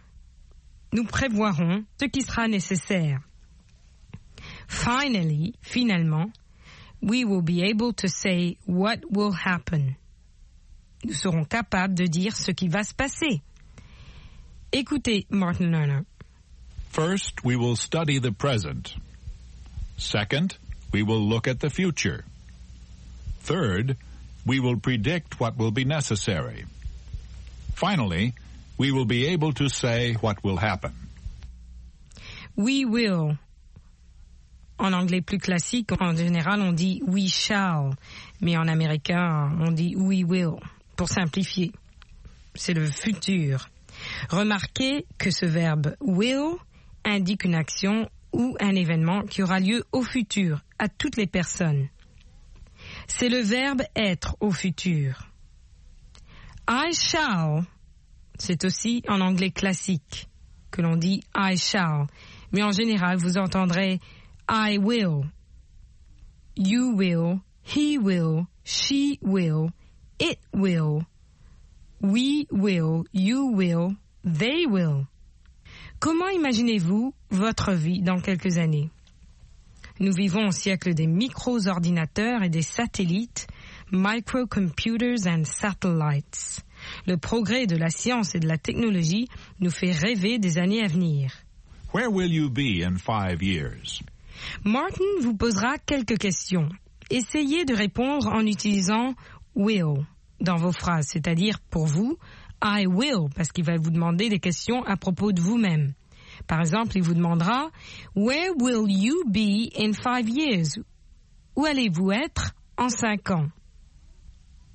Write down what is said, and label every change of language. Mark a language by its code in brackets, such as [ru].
[fr] « nous prévoirons ce qui sera nécessaire. » Finally, finalement, « [en] we will be able to say what will happen. [fr] » Nous serons capables de dire ce qui va se passer. Écoutez Martin Lerner. [en] First, we will study the present. Second, we will look at the future. Third, we will predict what will be necessary. Finally, we will be able to say what will happen. We will. [fr] En anglais plus classique, en général, on dit [en] we shall. [fr] Mais en américain, on dit [en] we will. [fr] Pour simplifier, c'est le futur. Remarquez que ce verbe will indique une action ou un événement qui aura lieu au futur, à toutes les personnes. C'est le verbe être au futur. [en] I shall, [fr] c'est aussi en anglais classique que l'on dit I shall, mais en général vous entendrez [en] I will, you will, she will, it will, we will, you will, they will. [fr] Comment imaginez-vous votre vie dans quelques années? Nous vivons au siècle des micro-ordinateurs et des satellites, [en] microcomputers and satellites. [fr] Le progrès de la science et de la technologie nous fait rêver des années à venir. [en] Where will you be in 5 years? [fr] Martin vous posera quelques questions. Essayez de répondre en utilisant will dans vos phrases, c'est-à-dire pour vous, [en] I will, [fr] parce qu'il va vous demander des questions à propos de vous-même. Par exemple, il vous demandera « [en] Where will you be in 5 years [fr] ?»« Où allez-vous être en 5 ans ?»